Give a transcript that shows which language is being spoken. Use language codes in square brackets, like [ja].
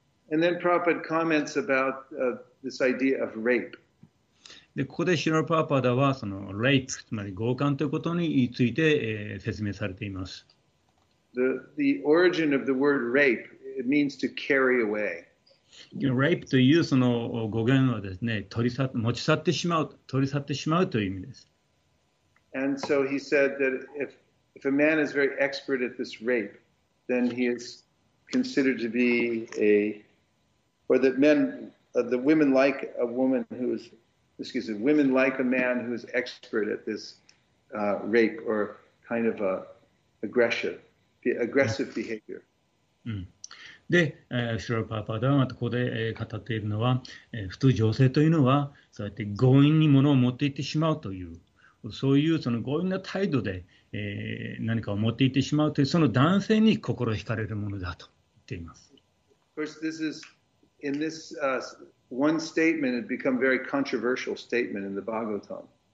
[en] And then Prabhupada comments about this idea of rape. [ja] で、ここでシュラル・プラパダはそのレイプ、つまり強姦ということについて、説明されています。 [en] The origin of the word rape, it means to carry away. [ja] Rape というその語源はですね、持ち去ってしまう、取り去ってしまうという意味です。 [en] And so he said that if a man is very expert at this rape, then he is considered to be a, or that men, the women like a woman who is excuse me, women like a man who is expert at this rape or kind of a aggressive behavior. [ja] で、シュラル・パーパーダーがここで語っているのは、普通女性というのはそうやって強引に物を持っていってしまうというそういうその強引な態度で、何かを持っていってしまうというその男性に心を惹かれるものだと言っています。 [en] Of course, this is in this one statement it become very controversial statement in the Bhagavatam.